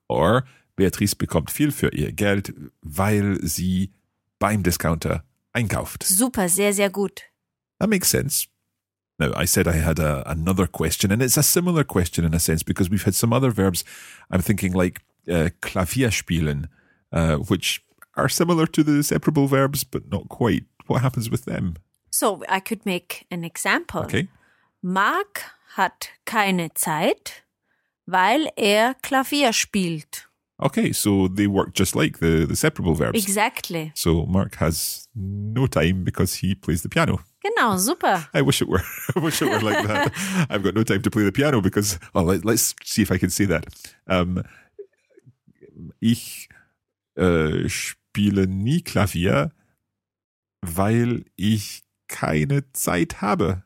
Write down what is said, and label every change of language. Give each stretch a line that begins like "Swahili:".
German: Or Beatrice bekommt viel für ihr Geld, weil sie beim Discounter einkauft. Super, sehr, sehr gut.
English: That makes sense. Now, I said I had another question, and it's a similar question in a sense, because we've had some other verbs. I'm thinking like Klavier spielen, which are similar to the separable verbs, but not quite. What happens with them? So I could make an example. Okay.
German: Mark hat keine Zeit, weil er Klavier spielt.
English: Okay, so they work just like the separable verbs. Exactly. So Mark has no time because he plays the piano.
German: Genau, super.
English: I wish it were. I wish it were like that. I've got no time to play the piano because, oh, let's see if I can say that.
German: Ich spiele nie Klavier, weil ich keine Zeit habe.